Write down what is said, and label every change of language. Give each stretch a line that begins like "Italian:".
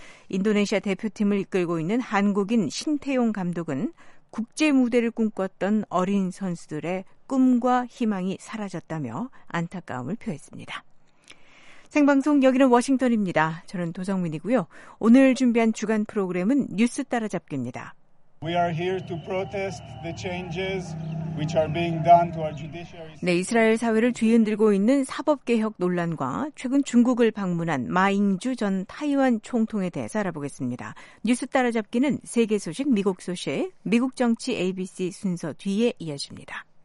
Korean: 인도네시아 대표팀을 이끌고 있는 한국인 신태용 감독은 국제 무대를 꿈꿨던 어린 선수들의 꿈과 희망이 사라졌다며 안타까움을 표했습니다. 생방송 여기는 워싱턴입니다. 저는 도성민이고요. 오늘 준비한 주간 프로그램은 뉴스 따라잡기입니다.
English: We are here to protest the changes which are being done to our judiciary.
Korean: 네, 이스라엘 사회를 뒤흔들고 있는 사법 개혁 논란과 최근 중국을 방문한 마잉주 전 타이완 총통에 대해서 알아보겠습니다. 뉴스 따라잡기는 세계 소식, 미국 소식, 미국 정치 ABC 순서 뒤에 이어집니다.